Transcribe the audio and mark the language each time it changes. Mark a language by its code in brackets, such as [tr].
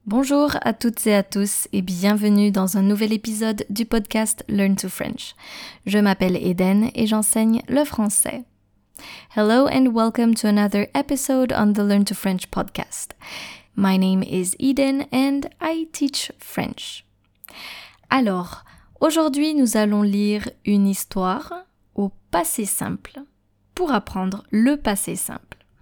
[fr] Bonjour à toutes et à tous et bienvenue dans un nouvel épisode du podcast Learn to French. Je m'appelle Eden et j'enseigne le français. [en] Hello and welcome to another episode on the Learn to French podcast. My name is Eden and I teach French. [fr] Alors, aujourd'hui nous allons lire une histoire au passé simple pour apprendre le passé simple.